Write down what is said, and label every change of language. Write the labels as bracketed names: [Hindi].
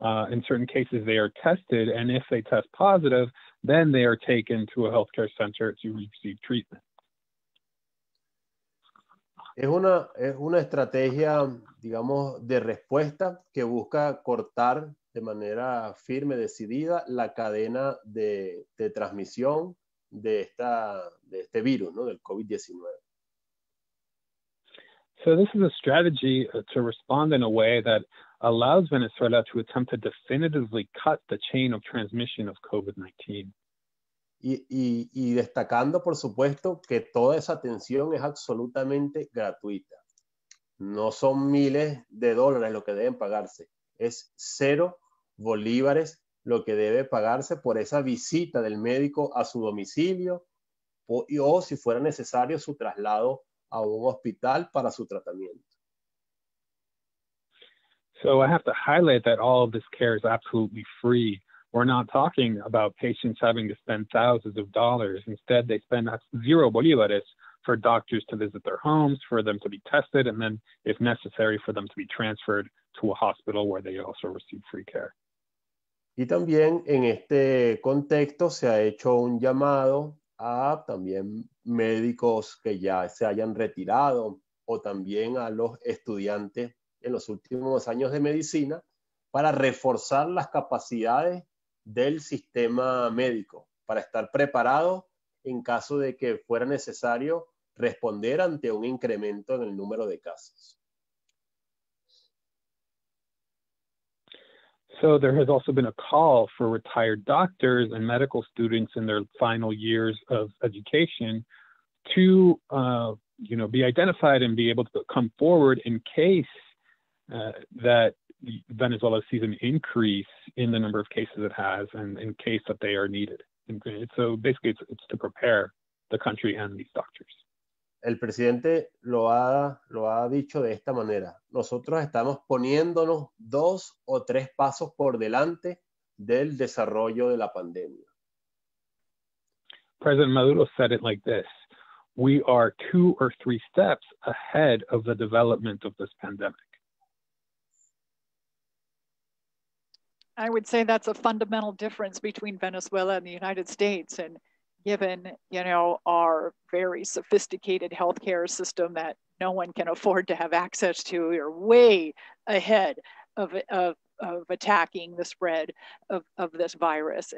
[English] In certain cases, they are tested, and if they test positive, then they are taken to a healthcare center to receive treatment. [Spanish] Es una estrategia, digamos, de respuesta que busca cortar de manera firme, decidida, la cadena de transmisión de este virus, ¿no? Del COVID-19. [English] So this is a strategy to respond in a way that allows Venezuela to attempt to definitively cut the chain of transmission of COVID-19. [Spanish] Y destacando, por supuesto, que toda esa atención es absolutamente gratuita. No son miles de dólares lo que deben pagarse. Es cero bolívares lo que debe pagarse por esa visita del médico a su domicilio o si fuera necesario su traslado a un hospital para su tratamiento. [English] So I have to highlight that all of this care is absolutely free. We're not talking about patients having to spend thousands of dollars. Instead, they spend zero bolívares for doctors to visit their homes, for them to be tested, and then, if necessary, for them to be transferred to a hospital where they also receive free care. [Spanish] Y también en este contexto se ha hecho un llamado a también médicos que ya se hayan retirado o también a los estudiantes en los últimos años de medicina para reforzar las capacidades del sistema médico, para estar preparado en caso de que fuera necesario responder ante un incremento en el número de casos. [English] So there has also been a call for retired doctors and medical students in their final years of education to, you know, be identified and be able to come forward in case that Venezuela sees an increase in the number of cases it has and in case that they are needed. And so basically it's to prepare the country and these doctors. [Spanish] El presidente lo ha dicho de esta manera. Nosotros estamos poniéndonos dos o tres pasos por delante del desarrollo de la pandemia. [English] President Maduro said it like this. We are two or three steps ahead of the development of this pandemic. I would say that's a fundamental difference between Venezuela and the United States. And given, you know, our very sophisticated healthcare system that no one can afford to have access to, you're way ahead of attacking the spread of this virus.